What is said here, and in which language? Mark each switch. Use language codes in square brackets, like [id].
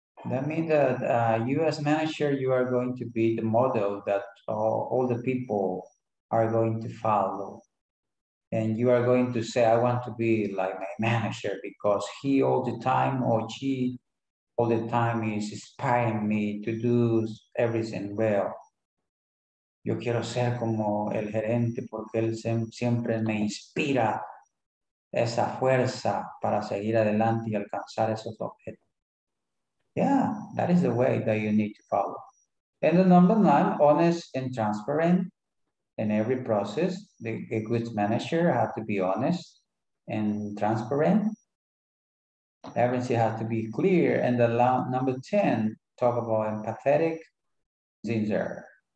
[en] That means that you as manager, you are going to be the model that all the people are going to follow. And you are going to say, I want to be like my manager because he all the time or she all the time is inspiring me to do everything well. [es] Yo quiero ser como el gerente porque él siempre me inspira esa fuerza para seguir adelante y alcanzar esos objetivos. [en] Yeah, that is the way that you need to follow. And the number nine, honest and transparent in every process. A good manager has to be honest and transparent. Everything has to be clear. And the number 10, talk about empathetic, sincere.